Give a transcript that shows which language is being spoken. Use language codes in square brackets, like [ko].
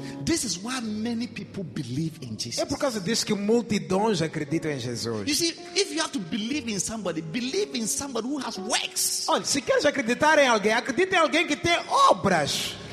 [en] This is why many people believe in Jesus. [pt] É por causa disso que multidões acreditam em Jesus. [en] You see, if you have to believe in somebody who has works. [pt] Olha, se queres acreditar em alguém, acredita em alguém que tem obras.